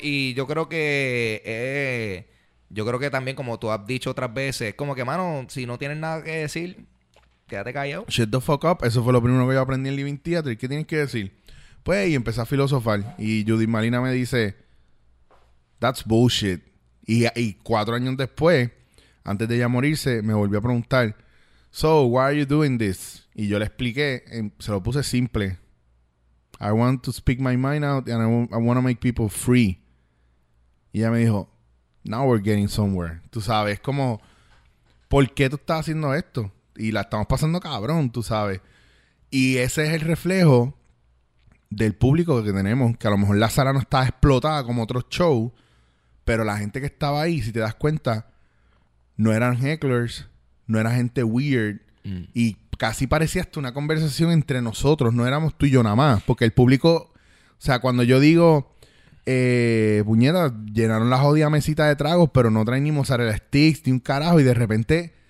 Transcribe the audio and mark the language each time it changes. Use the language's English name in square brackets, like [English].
[Spanish] Yo creo que, también como tú has dicho otras veces, como que, mano, si no tienes nada que decir, quédate callado. [English] Shut the fuck up. [Spanish] Eso fue lo primero que yo aprendí en Living Theater. ¿Qué tienes que decir? Pues, y empecé a filosofar. Y Judith Malina me dice, [English] that's bullshit. [Spanish] Y 4 años después, antes de ella morirse, me volvió a preguntar, [English] so, why are you doing this? [Spanish] Y yo le expliqué, se lo puse simple. [English] I want to speak my mind out and I want to make people free. [Spanish] Y ella me dijo, [English] now we're getting somewhere. [Spanish] Tú sabes, es como, ¿por qué tú estás haciendo esto? Y la estamos pasando cabrón, tú sabes. Y ese es el reflejo del público que tenemos, que a lo mejor la sala no está explotada como otros shows, pero la gente que estaba ahí, si te das cuenta, no eran hecklers, no era gente weird, y casi parecía hasta una conversación entre nosotros, no éramos tú y yo nada más, porque el público, o sea, cuando yo digo, puñeta, llenaron la jodida mesita de tragos, pero no traen ni mozzarella sticks, ni un carajo, y de repente,